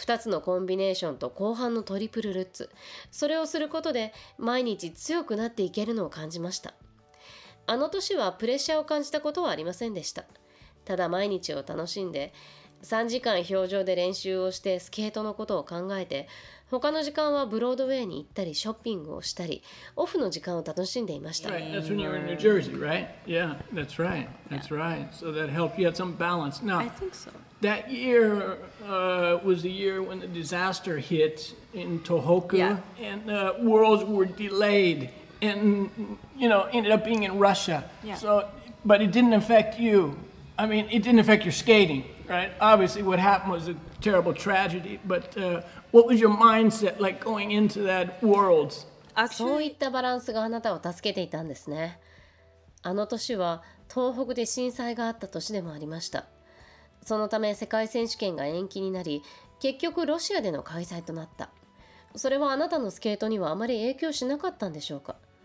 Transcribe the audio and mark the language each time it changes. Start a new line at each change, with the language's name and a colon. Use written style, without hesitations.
Japanese: 2つのコンビネーションと後半のトリプルルッツ、それをすることで毎日強くなっていけるのを感じました。あの年はプレッシャーを感じたことはありませんでした。ただ毎日を楽しんで3時間氷上で練習をして、スケートのことを考えて、他の時間はブロードウェイに行ったりショッピングをしたり、オフの時間を楽しんでいました。
English: Right, that's when you were in New Jersey, right? Yeah, that's right. That's right. So that helped you have some balance. Now, I think so. That year was the year when the disaster hit in Tohoku, yeah. And worlds were delayed, and you know, ended up being in Russia. Yeah. So, but it didn't affect you. I mean, it didn't affect your skating. Right. Obviously, what happened was a terrible tragedy. But what was your mindset like going into that world?
Japanese: そういったバランスがあなたを助けていたんですね。あの年は東北で震災があった年でもありました。そのため世界選手権が延期になり、結局ロシアでの開催となった。それはあなたのスケートにはあまり影響しなかったんでしょうか。